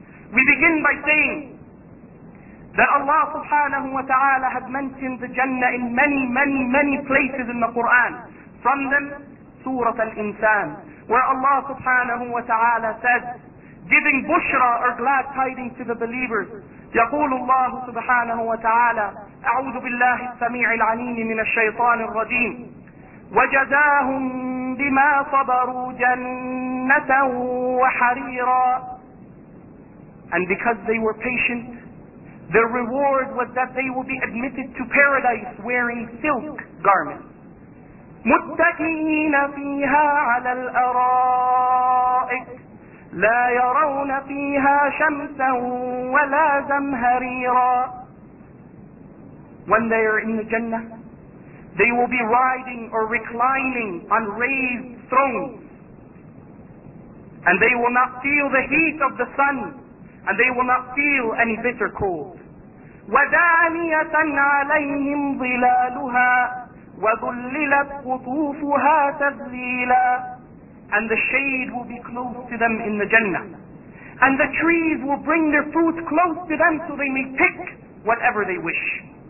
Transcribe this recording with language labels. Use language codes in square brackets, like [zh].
[en] We begin by saying that Allah subhanahu wa ta'ala has mentioned the Jannah in many, many, many places in the Qur'an. [ar] صمدا سورة الإنسان, [en] where Allah subhanahu wa ta'ala says, giving bushra or glad tidings to the believers. [ar] يقول الله سبحانه وتعالى أعوذ بالله السميع العليم من الشيطان الرجيم وجزاهم بما صبروا جنة وحريرا. [en] And because they were patient, their reward was that they will be admitted to paradise wearing silk garments. [ar] متكئين فيها على الأرائك لا يرون فيها شمسا ولا زمهريرا. [en] When they are in the Jannah, they will be riding or reclining on raised thrones. And they will not feel the heat of the sun, and they will not feel any bitter cold. [ar] ودانية عليهم ظلالها وذللت قطوفها تذليلا. [en] And the shade will be close to them in the Jannah. And the trees will bring their fruit close to them so they may pick whatever they wish.